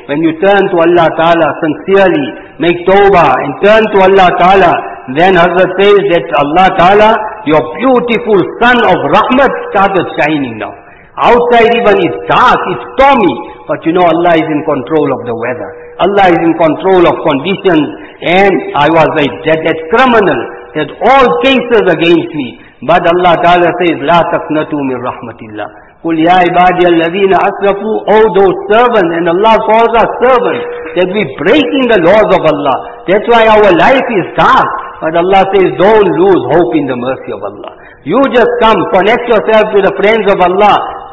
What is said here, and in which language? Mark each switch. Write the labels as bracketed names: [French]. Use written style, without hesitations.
[English] When you turn to Allah Ta'ala sincerely, make tawbah and turn to Allah Ta'ala, then Hazrat says that Allah Ta'ala, your beautiful sun of rahmat started shining now. Outside even it's dark, it's stormy, but you know Allah is in control of the weather. Allah is in control of conditions, and I was like that criminal, that all cases against me. But Allah Ta'ala says, [Arabic] لا تقنطوا من رحمة الله. قل يا عبادي الذين أسرفوا, [English] oh those servants, and Allah calls us servants, that we breaking the laws of Allah. That's why our life is dark. But Allah says, don't lose hope in the mercy of Allah. You just come, connect yourself to the friends of Allah.